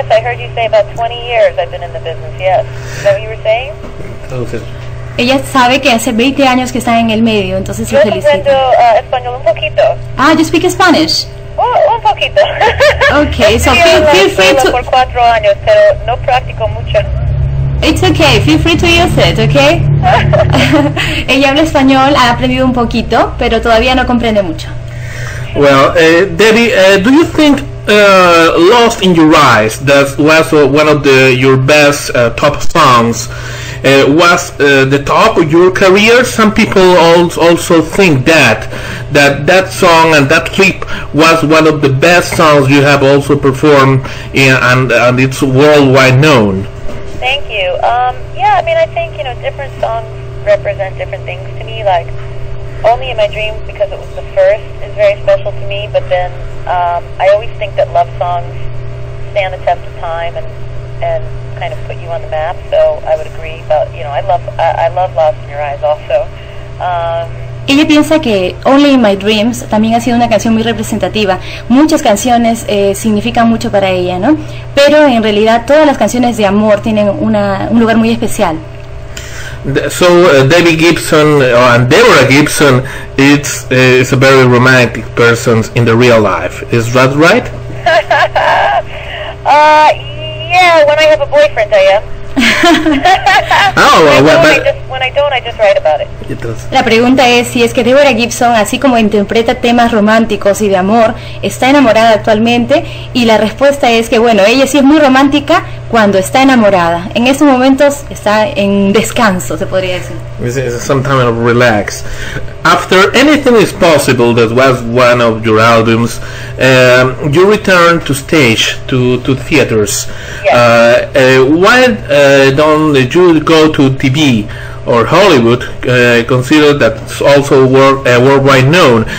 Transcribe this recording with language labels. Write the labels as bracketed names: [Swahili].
[English] Yes, I heard you say about 20 years I've been in the business. Yes. Is that what you were saying? Okay. [Spanish] Ella sabe que hace 20 años que está en el medio, entonces yo lo felicito. Yo aprendo español un poquito. [English] Ah, you speak Spanish? [Spanish] Oh, un poquito. [English] Okay, so feel free to... [Spanish] por 4 años, pero no practico mucho. [English] It's okay, feel free to use it, okay? [Spanish] Ella habla español, ha aprendido un poquito, pero todavía no comprende mucho. [English] Well, Debbie, do you think Lost in Your Eyes, that was one of the your best top songs, was the top of your career? Some people also think that song and that clip was one of the best songs you have also performed and it's worldwide known. Thank you. Yeah, I mean, I think, you know, different songs represent different things to me, like Only in My Dreams, because it was the first, is very special to me. But then I always think that love songs stand the test of time and kind of put you on the map. So I would agree. But, you know, I love Lost in Your Eyes also. [Spanish] Ella piensa que Only in My Dreams también ha sido una canción muy representativa. Muchas canciones significan mucho para ella, ¿no? Pero en realidad todas las canciones de amor tienen un lugar muy especial. [English] So Debbie Gibson and Deborah Gibson, it's a very romantic person in the real life. Is that right? Yeah, when I have a boyfriend, I am. Oh, well, when I don't, I just write about it. [Spanish] La pregunta es si es que Deborah Gibson, así como interpreta temas románticos y de amor, está enamorada actualmente. Y la respuesta es que, bueno, ella sí es muy romántica cuando está enamorada. En estos momentos está en descanso, se podría decir. [English] It's some time of relax. After Anything Is Possible, that was one of your albums, you return to stage, to theaters. Yes. Why don't you go to TV or Hollywood, consider that it's also worldwide known?